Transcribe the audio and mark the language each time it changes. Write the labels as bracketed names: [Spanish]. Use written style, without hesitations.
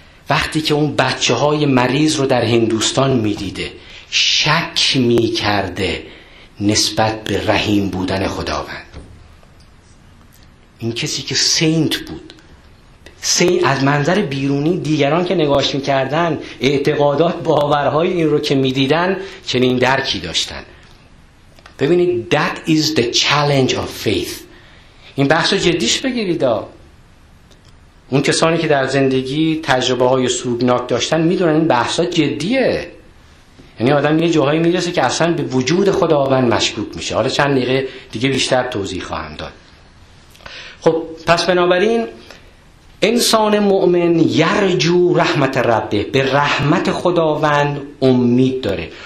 [Persian] وقتی که اون بچه های مریض رو در هندوستان میدیده، شک می کرده نسبت به رحیم بودن خداوند. این کسی که سینت بود، سینت از منظر بیرونی دیگران که نگاش می کردن، اعتقادات باورهای این رو که می دیدن چنین درکی داشتن. ببینید [English] that is the challenge of faith. [Persian] این بحث رو جدیش بگیرید. اون کسانی که در زندگی تجربه های سوگناک داشتن می دونن این بحث جدیه. یعنی آدم یه جاهایی میرسه که اصلا به وجود خداوند مشکوک میشه. حالا چند دقیقه دیگه بیشتر توضیح خواهم داد. خب پس بنابراین انسان مؤمن [Arabic] یرجو رحمت ربه، [Persian] به رحمت خداوند امید داره.